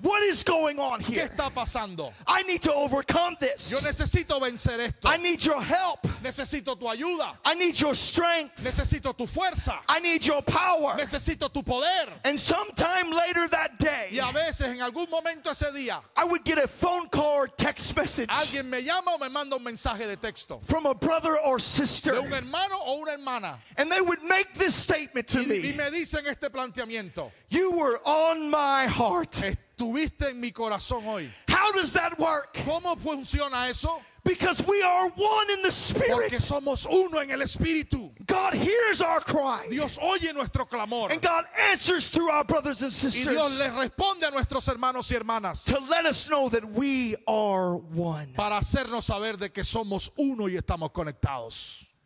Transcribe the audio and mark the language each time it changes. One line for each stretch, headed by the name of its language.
English: What is going on here?
Spanish: ¿Qué está pasando?
English: I need to overcome this.
Spanish: Yo necesito vencer esto.
English: I need your help.
Spanish: Necesito tu ayuda.
English: I need your strength.
Spanish: Necesito tu fuerza.
English: I need your power.
Spanish: Necesito tu poder.
English: And sometime later that day,
Spanish: y a veces, en algún momento ese día,
English: I would get a phone call or text message.
Spanish: Alguien me llama o me manda un mensaje de texto.
English: From a brother or sister.
Spanish: De un hermano o una hermana.
English: And they would make this statement to me.
Spanish: Y me dicen este planteamiento.
English: You were on my heart.
Spanish: Estuviste en mi corazón hoy.
English: How does that work?
Spanish: ¿Cómo funciona eso?
English: Because we are one in the spirit.
Spanish: Porque somos uno en el espíritu.
English: God hears our cry.
Spanish: Dios oye nuestro clamor.
English: And God answers through our brothers and sisters.
Spanish: Y Dios le responde a nuestros hermanos y hermanas.
English: To let us know that we are one.
Spanish: Para hacernos saber de que somos uno y estamos conectados.